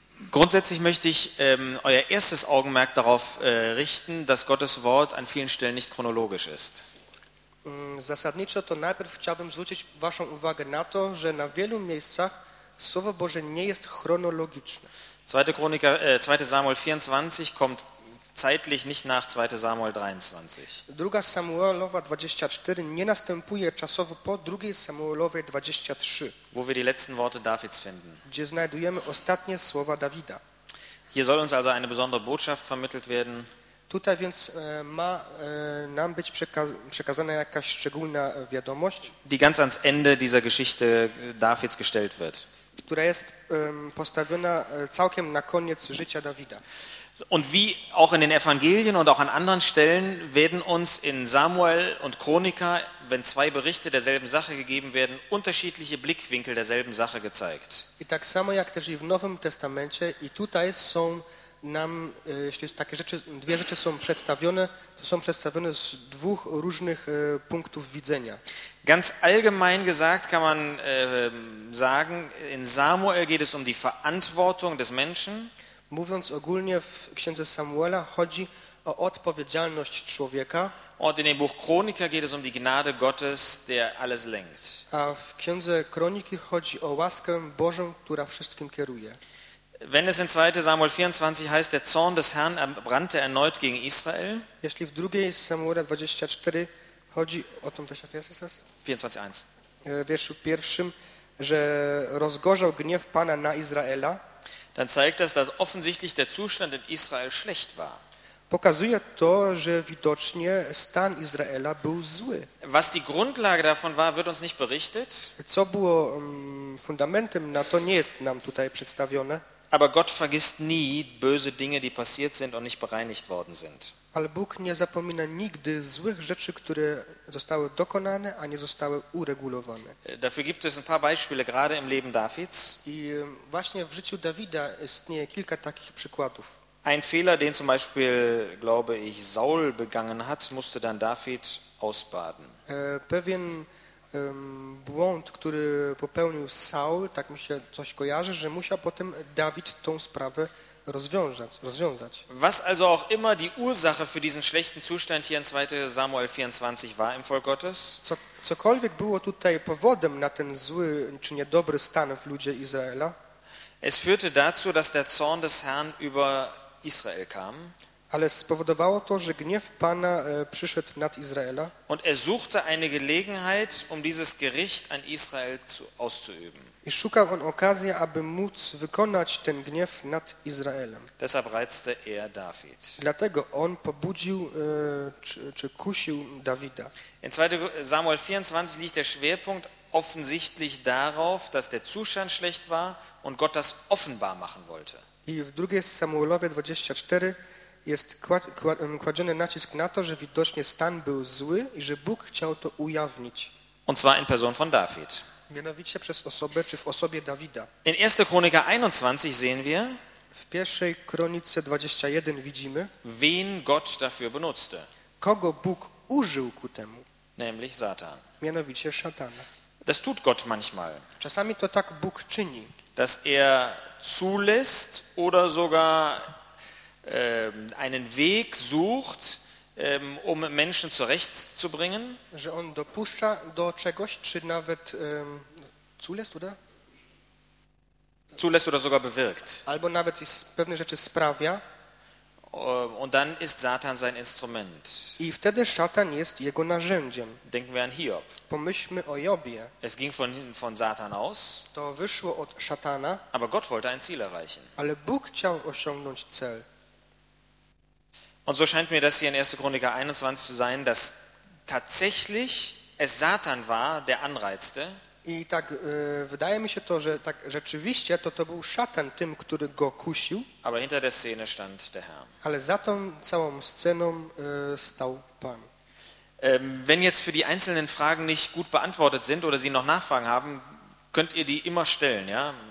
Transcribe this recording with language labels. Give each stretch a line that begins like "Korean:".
German: Grundsätzlich möchte ich euer erstes Augenmerk darauf richten, dass Gottes Wort an vielen Stellen nicht chronologisch ist.
Polish: Zasadniczo to najpierw chciałbym zwrócić waszą uwagę na to, że na wielu miejscach Słowo Boże nie jest chronologiczne.
German: 2 Samuel 24 kommt zeitlich nicht nach 2 Samuel 23.
Polish: Druga Samuelowa 24 nie następuje czasowo po 2 Samuelowej 23.
German: Wo wir die letzten Worte Davids finden.
Polish: Gdzie znajdujemy ostatnie słowa Dawida.
German: Hier soll uns also eine besondere Botschaft vermittelt werden.
Polish: Tutaj więc ma nam być przekazana jakaś szczególna wiadomość,
German: die ganz ans Ende dieser Geschichte Davids gestellt wird.
Polish: Która jest postawiona całkiem na koniec życia Dawida.
German: Und wie auch in den Evangelien und auch an anderen Stellen werden uns in Samuel und Chronika, wenn zwei Berichte derselben Sache gegeben werden, unterschiedliche Blickwinkel derselben Sache gezeigt.
Polish: I tak samo jak też i w Nowym Testamencie i tutaj są nam, jeśli takie rzeczy, dwie rzeczy są przedstawione, to są przedstawione z dwóch różnych punktów widzenia.
German: Ganz allgemein gesagt kann man sagen, in Samuel geht es um die Verantwortung des Menschen.
Polish: Mówiąc ogólnie, w Księdze Samuela chodzi o odpowiedzialność człowieka.
German: Und in dem Buch Chronika geht es um die Gnade Gottes, der alles lenkt.
Polish: A w Księdze Kroniki chodzi o łaskę Bożą, która wszystkim kieruje.
German: Wenn es in 2. Samuel 24 heißt, der Zorn des Herrn brannte erneut gegen Israel.
Polish: Jeśli w 2. Samuela 24 chodzi o tą wersję, jest das? 24:1. W wierszu pierwszym, że rozgorzał gniew Pana na Izraela.
German: Dann zeigt das, dass offensichtlich der Zustand in Israel schlecht war.
Polish: Pokazuje to, że widocznie stan Izraela był zły.
German: Was die Grundlage davon war, wird uns nicht berichtet.
Polish: Co było fundamentem na to, nie jest nam tutaj przedstawione.
German: Aber Gott vergisst nie böse Dinge, die passiert sind und nicht bereinigt worden sind.
Polish: Ale Bóg nie zapomina nigdy złych rzeczy, które zostały dokonane, a nie zostały uregulowane.
German: Dafür gibt es ein paar Beispiele, gerade im Leben Davids.
Polish: I właśnie w życiu Dawida istnieje kilka takich przykładów.
German: Ein Fehler, den zum Beispiel, glaube ich, Saul begangen hat, musste dann David ausbaden.
Polish: Pewien błąd, który popełnił Saul, tak mi się coś kojarzy, że musiał potem Dawid tą sprawę rozwiązać.
German: Was also auch immer die Ursache für diesen schlechten Zustand hier in 2. Samuel 24 war im Volk Gottes.
Polish: Cokolwiek było tutaj powodem na ten zły czy niedobry stan w ludzie Izraela.
German: Es führte dazu, dass der Zorn des Herrn über Israel kam.
Polish: A Ale spowodowało to, że gniew Pana przyszedł nad Izraela.
German: Und er suchte eine Gelegenheit, um dieses Gericht an Israel auszuüben.
Polish: I szukał on okazji, aby móc wykonać ten gniew nad Izraelem.
German: Deshalb reizte er David.
Polish: Dlatego on pobudził czy kusił Dawida.
German: In 2 Samuel 24 liegt der Schwerpunkt offensichtlich darauf, dass der Zustand schlecht war und Gott das offenbar machen wollte.
Polish: I w 2 Samuelowie 24 jest kładziony nacisk na to, że widocznie stan był zły i że Bóg chciał to ujawnić.
German: Und zwar in Person von David.
Polish: Mianowicie przez osobę, czy w osobie Dawida.
German: In 1. Chronika 21 sehen wir,
Polish: w 1. Chronice 21 widzimy,
German: wen Gott dafür benutzte.
Polish: Kogo Bóg użył ku temu.
German: Nämlich Satan.
Polish: Mianowicie szatana.
German: Das tut Gott manchmal.
Polish: Czasami to tak Bóg czyni.
German: Dass er zulässt oder sogar einen Weg sucht, um Menschen zurechtzubringen.
Polish: Że on dopuszcza do czegoś, czy nawet
German: zulässt, oder? Zulässt oder sogar bewirkt.
Polish: Albo nawet pewne rzeczy sprawia.
German: Und dann ist Satan sein Instrument.
Polish: I wtedy Szatan jest jego narzędziem.
German: Denken wir an Hiob.
Polish: Pomyślmy o Jobie.
German: Es ging von Satan aus.
Polish: To wyszło od Szatana.
German: Aber Gott wollte ein Ziel erreichen.
Polish: Ale Bóg chciał osiągnąć cel.
German: Und so scheint mir das hier in 1. Chroniker 21 zu sein, dass tatsächlich es Satan war, der anreizte.
Polish: I tak wydaje mi się to, że tak rzeczywiście to był Szatan tym, który go kusił.
German: Aber hinter der Szene stand der Herr.
Polish: Ale za tą całą sceną stał Pan.
German: Wenn jetzt für die einzelnen Fragen nicht gut beantwortet sind oder Sie noch Nachfragen haben, könnt ihr die immer stellen, ja?